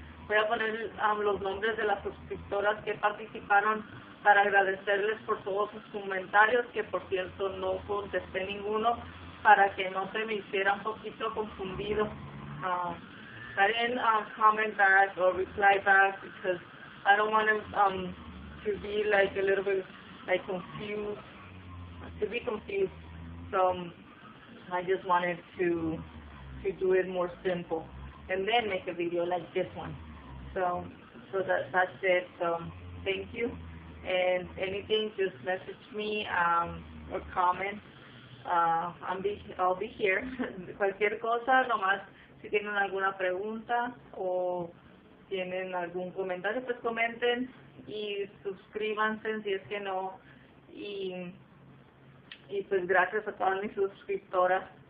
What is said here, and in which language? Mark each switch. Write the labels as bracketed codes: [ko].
[es] Voy a poner los nombres de las suscriptoras que participaron para agradecerles por todos sus comentarios, que por cierto no contesté ninguno para que no se me hiciera un poquito confundido. [en] I didn't comment back or reply back because I don't want to be like a little bit like confused. So I just wanted to do it more simple and then make a video like this one. So that's it. So thank you. And anything, just message me or comment. I'll be here. [es] Cualquier cosa, nomás si tienen alguna pregunta o tienen algún comentario, pues comenten y suscríbanse si es que no. Y pues gracias a todas mis suscriptoras.